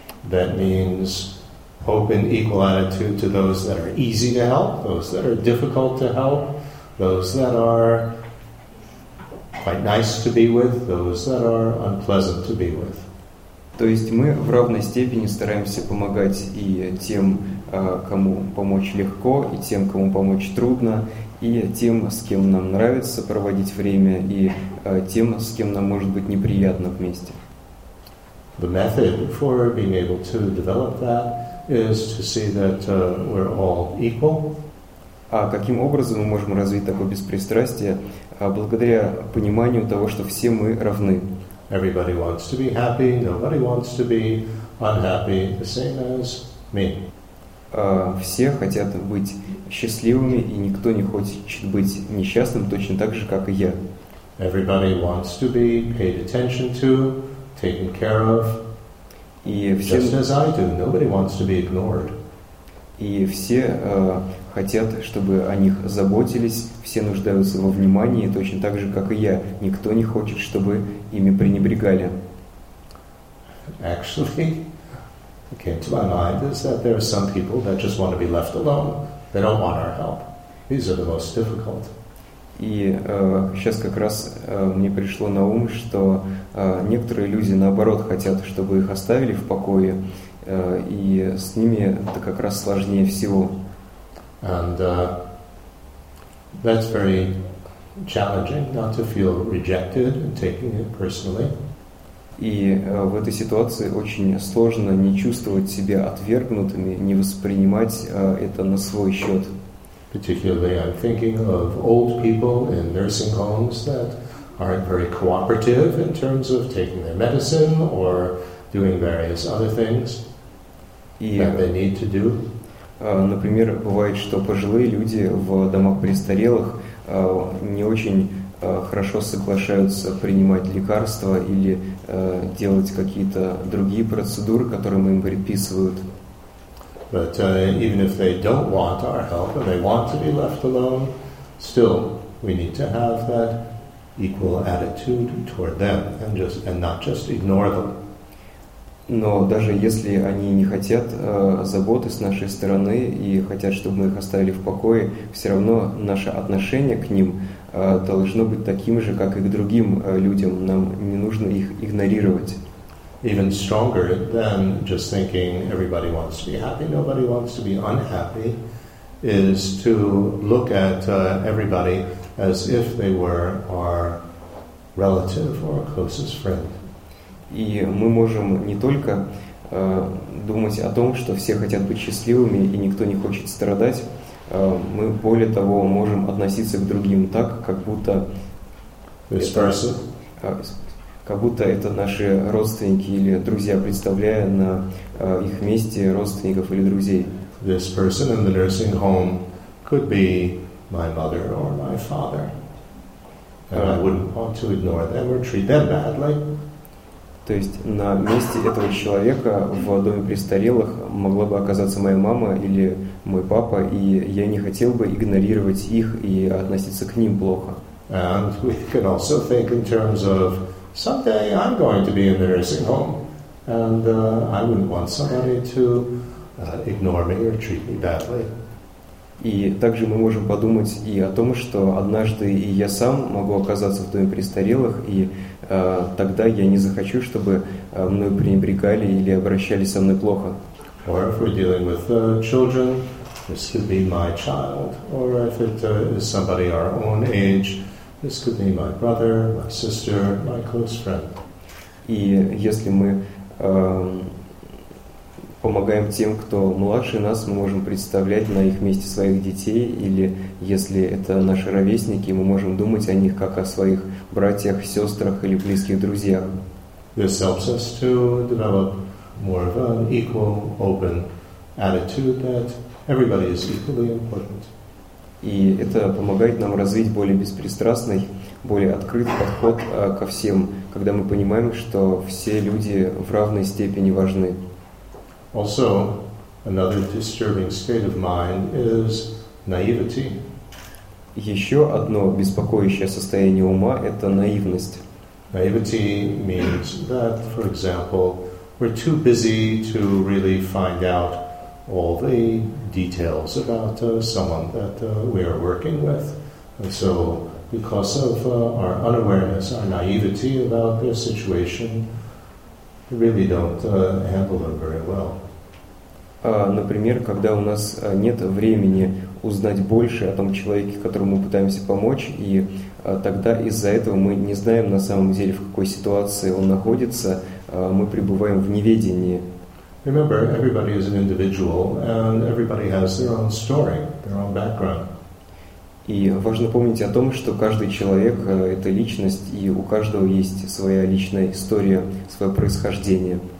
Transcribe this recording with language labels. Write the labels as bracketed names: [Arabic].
[English] That means open, equal attitude to those that are easy to help, those that are difficult to help, those that are quite nice to be with, those that are unpleasant to be with. [Russian] То есть мы в равной степени стараемся помогать и тем, кому помочь легко, и тем, кому помочь трудно, и тем, с кем нам нравится проводить время, и тем, с кем нам может быть неприятно вместе. [English] The method for being able to develop that is to see that we're all equal. [Russian] А каким образом мы можем развить такое беспристрастие? Благодаря пониманию того, что все мы равны. [English] Everybody wants to be happy, nobody wants to be unhappy, the same as me. [Russian] Все хотят быть счастливыми, и никто не хочет быть несчастным, точно так же, как и я. [English] Everybody wants to be paid attention to, taken care of, [Russian] и [English] just as I do. Nobody wants to be ignored. [Russian] И все хотят, чтобы о них заботились, все нуждаются во внимании, точно так же, как и я. Никто не хочет, чтобы ими пренебрегали. [English] Actually, what came to my mind is that there are some people that just want to be left alone. They don't want our help. These are the most difficult. [Russian] И сейчас как раз мне пришло на ум, что некоторые люди, наоборот, хотят, чтобы их оставили в покое, и с ними это как раз сложнее всего. [English] And that's very challenging, not to feel rejected and taking it personally. [Russian] И в этой ситуации очень сложно не чувствовать себя отвергнутыми, не воспринимать это на свой счет. [English] Particularly, I'm thinking of old people in nursing homes that aren't very cooperative in terms of taking their medicine or doing various other things that they need to do. [Russian] Например, бывает, что пожилые люди в домах престарелых не очень хорошо соглашаются принимать лекарства или делать какие-то другие процедуры, которые мы им предписывают. [English] But even if they don't want our help and they want to be left alone, still we need to have that equal attitude toward them and not just ignore them. [Russian] Но даже если они не хотят заботы с нашей стороны и хотят, чтобы мы их оставили в покое, все равно наше отношение к ним должно быть таким же, как и к другим людям. Нам не нужно их игнорировать. [English] Even stronger than just thinking everybody wants to be happy, nobody wants to be unhappy, is to look at everybody as if they were our relative or closest friend. [Russian] И мы можем не только думать о том, что все хотят быть счастливыми и никто не хочет страдать, мы более того можем относиться к другим так, как будто это наши родственники или друзья, представляя на их месте родственников или друзей. [English] This person in the nursing home could be my mother or my father, and I wouldn't want to ignore them or treat them badly. [Russian] То есть на месте этого человека в доме престарелых могла бы оказаться моя мама или мой папа, и я не хотел бы игнорировать их и относиться к ним плохо. [English] And we can also think in terms of someday I'm going to be in the nursing home, and I wouldn't want somebody to ignore me or treat me badly. [Russian] И также мы можем подумать и о том, что однажды и я сам могу оказаться в доме престарелых, и тогда я не захочу, чтобы мной пренебрегали или обращались со мной плохо. [English] Or if we're dealing with children, this could be my child. Or if it is somebody our own age, this could be my brother, my sister, my close friend. [Russian] И если мы помогаем тем, кто младше нас, мы можем представлять на их месте своих детей, или если это наши ровесники, мы можем думать о них как о своих братьях, сестрах или близких друзьях. [English] This helps us to develop more of an equal, open attitude that everybody is equally important. [Russian] И это помогает нам развить более беспристрастный, более открытый подход ко всем, когда мы понимаем, что все люди в равной степени важны. [English] Also, another disturbing state of mind is naivety. [Russian] Еще одно беспокоящее состояние ума – это наивность. [English] Naivety means that, for example, we're too busy to really find out all the details about someone that we are working with. And so because of our unawareness, our naivety about this situation, we really don't handle them very well. [Russian] Например, когда у нас нет времени узнать больше о том человеке, которому мы пытаемся помочь, и тогда из-за этого мы не знаем на самом деле, в какой ситуации он находится, мы пребываем в неведении. [English] Remember, everybody is an individual, and everybody has their own story, their own background. [Russian] И важно помнить о том, что каждый человек — это личность, и у каждого есть своя личная история, свое происхождение.